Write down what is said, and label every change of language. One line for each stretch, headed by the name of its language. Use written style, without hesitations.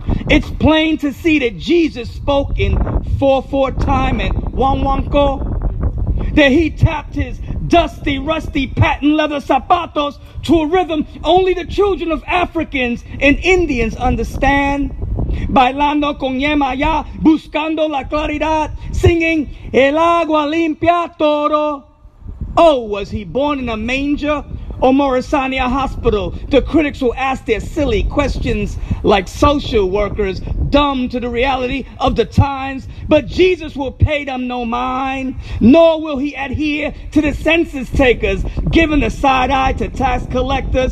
English: It's plain to see that Jesus spoke in 4/4 time and wanwanko, that he tapped his dusty, rusty patent leather zapatos to a rhythm only the children of Africans and Indians understand.
Spanish: Bailando con yema ya, buscando la claridad,
English: singing
Spanish: el agua limpia todo.
English: Oh, was he born in a manger or Morrisania Hospital? The critics will ask their silly questions like social workers, dumb to the reality of the times. But Jesus will pay them no mind, nor will he adhere to the census takers, giving a side eye to tax collectors.